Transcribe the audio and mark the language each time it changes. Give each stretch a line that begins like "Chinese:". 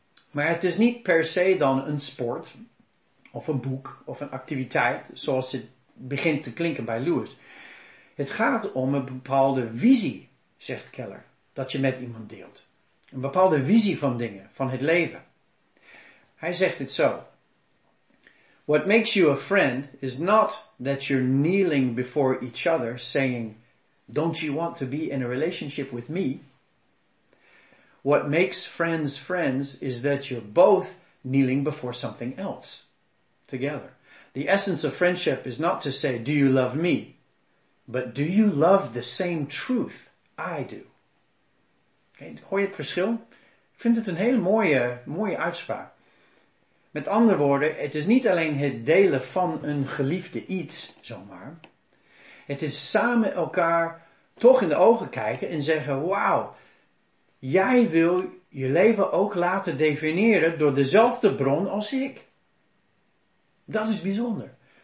Dutch: Maar het is niet per se dan een sport, of een boek, of een activiteit, zoals het begint te klinken bij Lewis. Het gaat om een bepaalde visie, zegt Keller, dat je met iemand deelt. Een bepaalde visie van dingen, van het leven. Hij zegt het zo.
English: What makes you a friend is not that you're kneeling before each other saying, don't you want to be in a relationship with me? What makes friends friends is that you're both kneeling before something else together. The essence of friendship is not to say, do you love me? But do you love the same truth I do?
Dutch: Okay, hoor je het verschil? Ik vind het een hele mooie uitspraak. Met andere woorden, het is niet alleen het delen van een geliefde iets, zomaar. Het is samen elkaar toch in de ogen kijken en zeggen, wauw, jij wil je leven ook laten definiëren door dezelfde bron als ik. Dat is bijzonder.